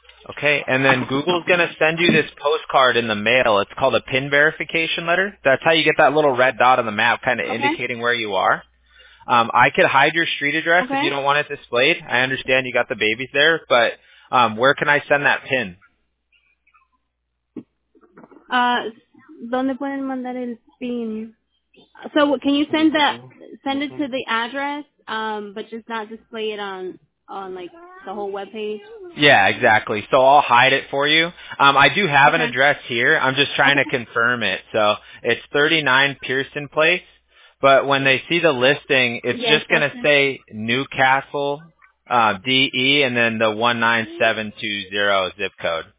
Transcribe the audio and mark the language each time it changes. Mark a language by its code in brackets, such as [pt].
[en] Okay, and then Google's going to send you this postcard in the mail. It's called a PIN verification letter. That's how you get that little red dot on the map kind of indicating where you are. I could hide your street address if you don't want it displayed. I understand you got the babies there, but where can I send that PIN? [es] ¿Dónde pueden mandar el PIN? [en] So can you send it to the address, but just not display it on like the whole webpage? Yeah, exactly. So I'll hide it for you. I do have an address here. I'm just trying to confirm it. So it's 39 Pearson Place. But when they see the listing, it's just going to say Newcastle, DE, and then the 19720 zip code.